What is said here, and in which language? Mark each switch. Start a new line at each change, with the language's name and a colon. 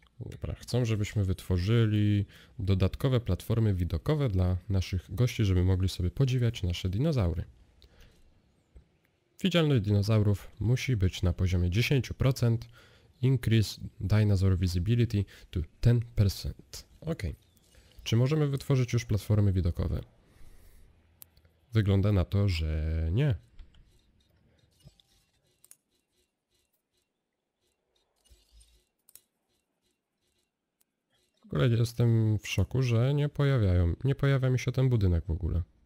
Polish: Dobra, chcą, żebyśmy wytworzyli dodatkowe platformy widokowe dla naszych gości, żeby mogli sobie podziwiać nasze dinozaury. Widzialność dinozaurów musi być na poziomie 10%.
English: Increase dinosaur visibility to 10%. Ok.
Polish: Czy możemy wytworzyć już platformy widokowe? Wygląda na to, że nie. W ogóle jestem w szoku, że nie pojawia mi się ten budynek w ogóle.